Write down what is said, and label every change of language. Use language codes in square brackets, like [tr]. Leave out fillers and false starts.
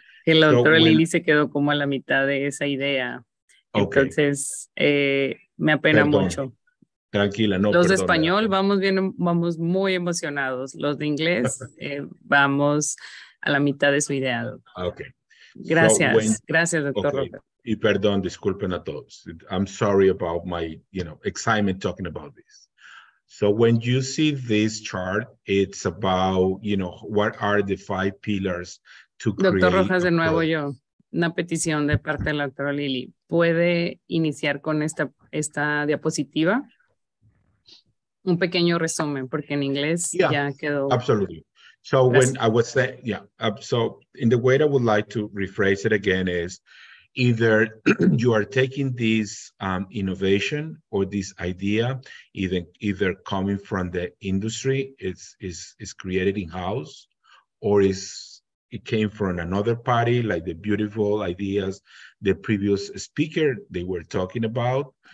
[es] Que la doctora Lili se quedó como a la mitad de esa idea. Okay. Entonces, me apena mucho. Tranquila, no. Los perdona. De español vamos bien, vamos muy emocionados. Los de inglés vamos a la mitad de su idea. Ok. Gracias. Gracias, doctor. Okay. Y perdón, disculpen a todos. [en] I'm sorry about my, you know, excitement talking about this. So when you see this chart, it's about, you know, what are the five pillars to create. [es] Doctor Rojas, de nuevo yo. Una petición de parte de la doctora Lili. ¿Puede iniciar con esta diapositiva? Un pequeño resumen, porque en inglés ya quedó. [en] Absolutely. So when I would say, so in the way that I would like to rephrase it again is either you are taking this innovation or this idea, either coming from the industry, it's created in-house, or it came from another party, like the beautiful ideas the previous speaker they were talking about.